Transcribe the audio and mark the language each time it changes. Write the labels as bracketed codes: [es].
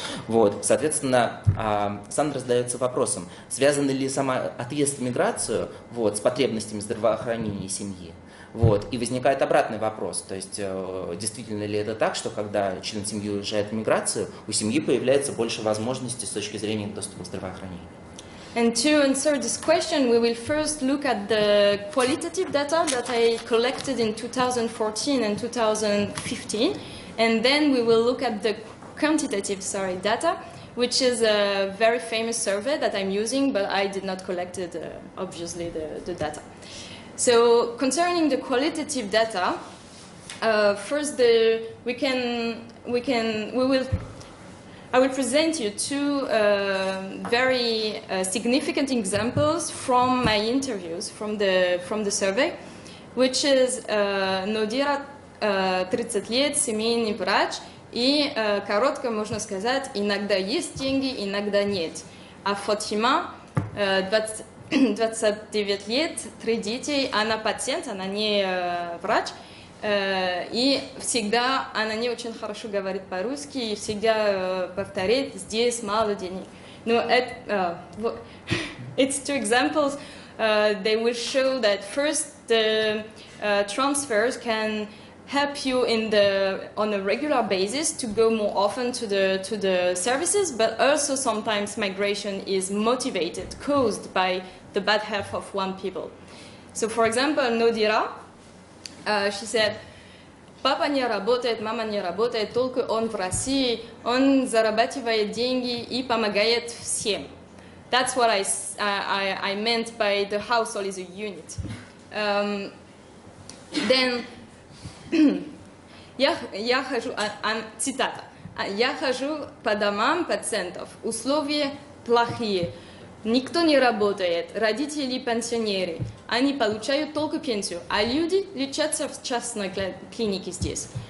[ru] Вот, соответственно, Сандра задается вопросом, связан ли сама отъезд в миграцию вот, с потребностями здравоохранения семьи. Вот, и возникает обратный вопрос, то есть действительно ли это так, что когда член семьи уезжает в миграцию, у семьи появляется больше возможностей с точки зрения доступа к здравоохранению? [en] And to answer this question, we will first look at the qualitative data that I collected in 2014 and 2015, and then we will look at the quantitative, sorry, data, which is a very famous survey that I'm using, but I did not collect it, obviously, the data. So, concerning the qualitative data, first the, I will present you two very significant examples from my interviews from the survey, which is Nodira [ru] 30 лет, семейный врач, и коротко можно сказать, иногда есть деньги, иногда нет. А Фатима 29 лет, 3 детей, она пациент, она не врач, и всегда она не очень хорошо говорит по-русски, и всегда повторяет, здесь мало денег. Но это, [en] it's two examples, they will show that first the transfers can help you in the on a regular basis to go more often to the services, but also sometimes migration is motivated, caused by the bad health of one people. So for example, Nodira, she said, [ru] Papa не работает, мама не работает, только он в России, он зарабатывает деньги и помогает всем. [en] That's what I meant by the household is a unit. [ru] Then, я хожу, цитата, я хожу по домам пациентов, условия плохие, никто не работает, родители пенсионеры, они получают только пенсию, а люди лечатся в частной клинике здесь.